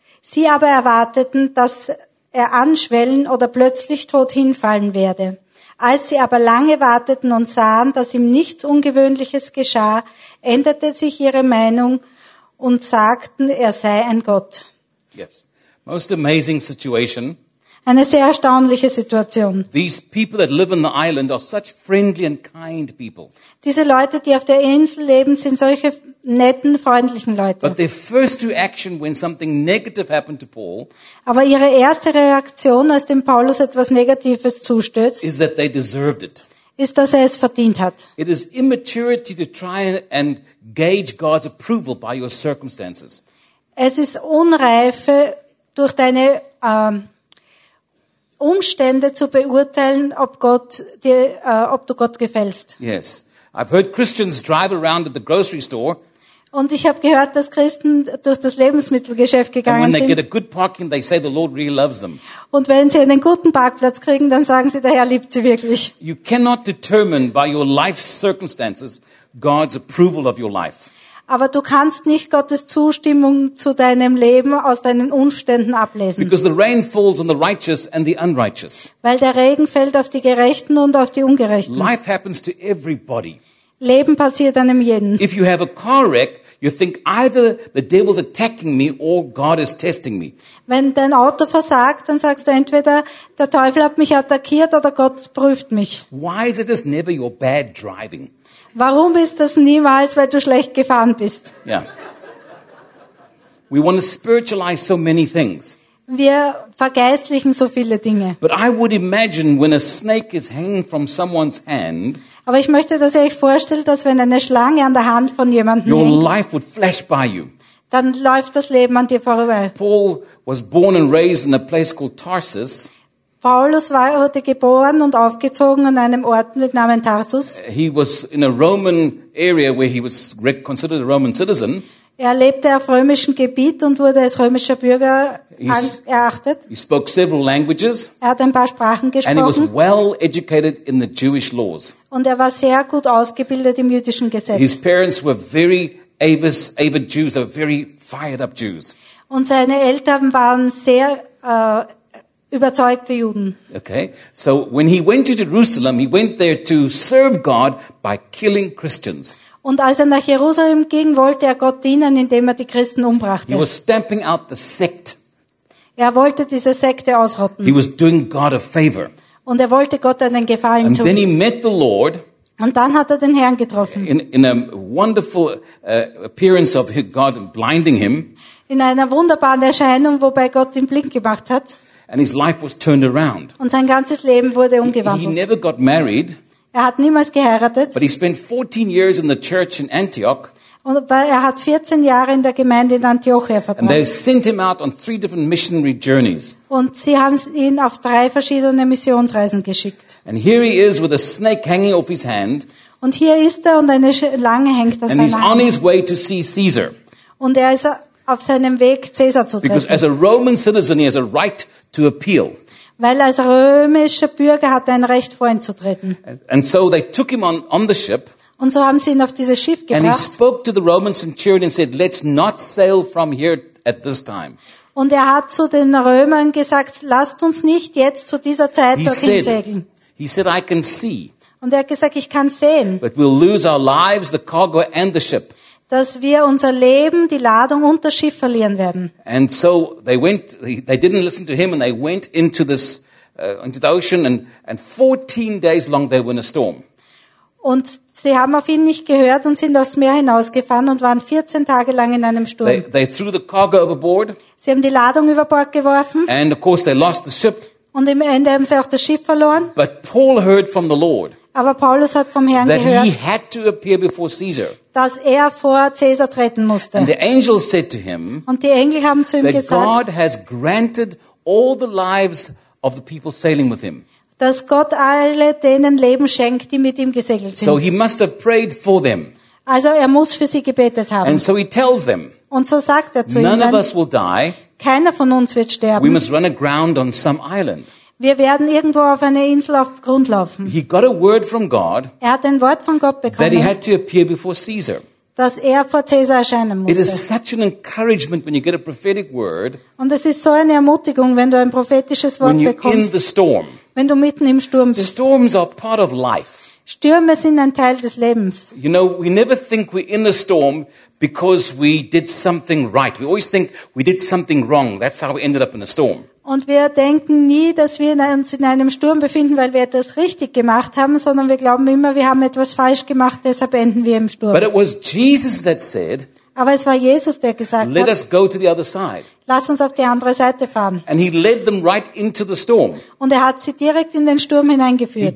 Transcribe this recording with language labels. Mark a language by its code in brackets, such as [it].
[de] Sie aber erwarteten, dass er anschwellen oder plötzlich tot hinfallen werde. Als sie aber lange warteten und sahen, dass ihm nichts Ungewöhnliches geschah, änderte sich ihre Meinung und sagten, er sei ein Gott. [en] Yes. Most amazing situation. [de] Eine sehr erstaunliche Situation. [en] These people that live on the island are such friendly and kind people. [de] Diese Leute, die auf der Insel leben, sind solche netten, freundlichen Leute. [en] But their first reaction when something negative happened to Paul. [de] Aber ihre erste Reaktion, als dem Paulus etwas Negatives zustößt, [en] is that they deserved it. [de] Ist, dass er es verdient hat. [en] It is immaturity to try and gauge God's approval by your circumstances. [de] Es ist Unreife, durch deine Umstände zu beurteilen, ob du Gott gefällst. [en] Yes, I've heard Christians drive around at the grocery store. [de] Und ich habe gehört, dass Christen durch das Lebensmittelgeschäft gegangen sind. [en] And when they get a good parking, they say the Lord really loves them. [de] Und wenn sie einen guten Parkplatz kriegen, dann sagen sie, der Herr liebt sie wirklich. [en] You cannot determine by your life circumstances God's approval of your life. [de] Aber du kannst nicht Gottes Zustimmung zu deinem Leben aus deinen Umständen ablesen. [en] Because the rain falls on the righteous and the unrighteous. [de] Weil der Regen fällt auf die Gerechten und auf die Ungerechten. [en] Life happens to everybody. [de] Leben passiert einem jeden. [en] If you have a car wreck, you think either the devil's attacking me or God is testing me. [de] Wenn dein Auto versagt, dann sagst du entweder der Teufel hat mich attackiert oder Gott prüft mich. [en] Why is it never your bad driving? [de] Warum ist das niemals, weil du schlecht gefahren bist? [en] Yeah. We want to spiritualize so many things. [de] Wir vergeistlichen so viele Dinge. [en] But I would imagine when a snake is hanging from someone's hand. [de] Aber ich möchte, dass ihr euch vorstellt, dass wenn eine Schlange an der Hand von jemandem [en] your [de] hängt, [en] life would flash by you. [de] Dann läuft das Leben an dir vorüber. [en] Paul was born and raised in a place called Tarsus. [de] Paulus wurde geboren und aufgezogen an einem Ort mit Namen Tarsus. [en] He was in a Roman area where he was considered a Roman citizen. [de] Er lebte auf römischem Gebiet und wurde als römischer Bürger erachtet. [en] He spoke several languages. [de] Er hat ein paar Sprachen gesprochen. [en] And he was well educated in the Jewish laws. [de] Und er war sehr gut ausgebildet im jüdischen Gesetz. [en] His parents were very avid Jews, very fired up Jews. [de] Und seine Eltern waren sehr überzeugte Juden. [en] Okay. So when he went to Jerusalem, he went there to serve God by killing Christians. [de] Und als er nach Jerusalem ging, wollte er Gott dienen, indem er die Christen umbrachte. [en] He was stamping out the sect. [de] Er wollte diese Sekte ausrotten. [en] He was doing God a favor. [de] Und er wollte Gott einen Gefallen [en] and [de] tun. [en] Then he met the Lord. [de] Und dann hat er den Herrn getroffen. [en] In a wonderful appearance of God blinding him. [de] In einer wunderbaren Erscheinung, wobei Gott ihn blind gemacht hat. [en] And his life was turned around. [de] Und sein ganzes Leben wurde umgewandelt. [en] He never got married. [de] Er hat niemals geheiratet. [en] But he spent 14 years in the church in Antioch. [de] Und er hat 14 Jahre in der Gemeinde in Antiochia verbracht. [en] And they sent him out on three different missionary journeys. [de] Und sie haben ihn auf drei verschiedene Missionsreisen geschickt. [en] And here he is with a snake hanging off his hand. [de] Und hier ist er und eine Schlange hängt an seiner Hand. [en] And he's on his way to see Caesar. [de] Und er ist auf seinem Weg Caesar zu treffen. [en] Because as a Roman citizen he has a right to appeal. [de] Weil als römischer Bürger hat er ein Recht, vor ihn zu treten. [en] And so they took him on the ship. [de] Und so haben sie ihn auf dieses Schiff gebracht. [en] And he spoke to the Roman centurion and said, "Let's not sail from here at this time." [de] Und er hat zu den Römern gesagt, lasst uns nicht jetzt zu dieser Zeit dorthin segeln. [en] He said, "I can see." [de] Und er hat gesagt, ich kann sehen. [en] But we'll lose our lives, the cargo and the ship. [de] Dass wir unser Leben, die Ladung und das Schiff verlieren werden. [en] And so they didn't listen to him and they went into the ocean and 14 days long they were in a storm. [de] Und sie haben auf ihn nicht gehört und sind aufs Meer hinausgefahren und waren 14 Tage lang in einem Sturm. [en] They threw the cargo overboard. [de] Sie haben die Ladung über Bord geworfen. [en] And of course they lost the ship. [de] Und im Ende haben sie auch das Schiff verloren. [en] But Paul heard from the Lord. [de] Aber Paulus hat vom Herrn [en] that [de] gehört, [en] he had to appear before Caesar. [de] Dass er vor Caesar treten musste. [en] And the angels said to him, [de] und die Engel haben zu ihm [en] that [de] gesagt, [en] God has granted all the lives of the people sailing with him. [de] Dass Gott alle denen Leben schenkt, die mit ihm gesegelt sind. [en] So he must have prayed for them. [de] Also er muss für sie gebetet haben. [en] And so he tells them, [de] und so sagt er zu [en] none [de] ihnen, [en] of us will die. [de] Keiner von uns wird sterben. [en] We must run aground on some island. [de] Wir werden irgendwo auf einer Insel auf Grund laufen. [en] He got a word from God, [de] er hat ein Wort von Gott bekommen, [en] that he had to appear before Caesar. [de] Dass er vor Caesar erscheinen musste. [en] It is such an encouragement when you get a prophetic word, [de] und es ist so eine Ermutigung, wenn du ein prophetisches Wort [en] when [de] bekommst, [en] in the storm. [de] Wenn du mitten im Sturm bist. [en] Storms are part of life. [de] Stürme sind ein Teil des Lebens. [en] You know, we never think we're in the storm because we did something right. We always think we did something wrong. That's how we ended up in a storm. [de] Und wir denken nie, dass wir uns in einem Sturm befinden, weil wir etwas richtig gemacht haben, sondern wir glauben immer, wir haben etwas falsch gemacht, deshalb enden wir im Sturm. [en] But it was Jesus that said, [de] aber es war Jesus, der gesagt [en] let [de] hat, [en] us go to the other side. [de] Lass uns auf die andere Seite fahren. [en] And he led them right into the storm. [de] Und er hat sie direkt in den Sturm hineingeführt.